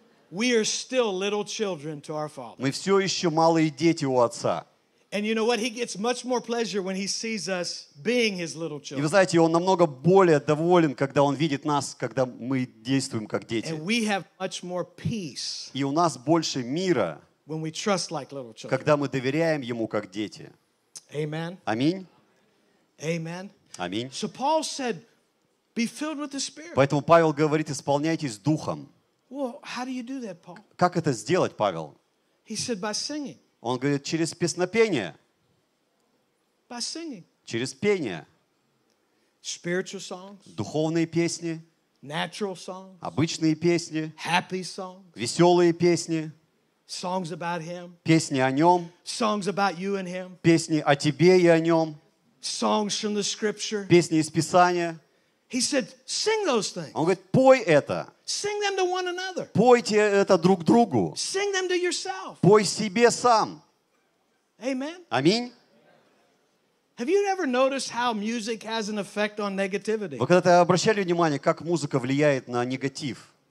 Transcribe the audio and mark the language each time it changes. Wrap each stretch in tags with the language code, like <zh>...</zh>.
<en>We are still little children to our father.</en> <ru>Мы все еще малые дети у отца.</ru> <en>And you know what? He gets much more pleasure when he sees us being his little children.</en> <ru>И вы знаете, он намного более доволен, когда он видит нас, когда мы действуем как дети.</ru> <en>And we have much more peace.</en> <ru>И у нас больше мира.</ru> <en>When we trust like little children.</en> <ru>Когда мы доверяем ему как дети.</ru> <en>Amen.</en> <ru>Аминь.</ru> <en>Amen.</en> <ru>Аминь.</ru> <en>So Paul said, "Be filled with the Spirit."</en> <ru>Поэтому Павел говорит, исполняйтесь духом.</ru> <en>Well, how do you do that, Paul?</en> <ru>Как это сделать, Павел?</ru> <en>He said by singing.</en> <ru>Он говорит, через песнопение.</ru> <en>By singing.</en> <ru>Через пение.</ru> <en>Spiritual songs.</en> <ru>Духовные песни.</ru> <en>Natural songs.</en> <ru>Обычные песни.</ru> <en>Happy songs.</en> <ru>Веселые песни.</ru> <en>Songs about him.</en> <ru>Песни о нем.</ru> <en>Songs about you and him.</en> <ru>Песни о тебе и о нем.</ru> <en>Songs from the scripture.</en> <ru>Песни из Писания.</ru> <en>He said, "Sing those things."</en> <ru>Он говорит, пой это.</ru> <en>Sing them to one another.</en> <ru>Пойте это друг другу.</ru> <en>Sing them to yourself.</en> <ru>Пой себе сам.</ru> <en>Amen.</en> <ru>Аминь.</ru> <en>Have you ever noticed how music has an effect on negativity?</en> <ru>Вы когда-то обращали внимание, как музыка влияет на негатив?</ru>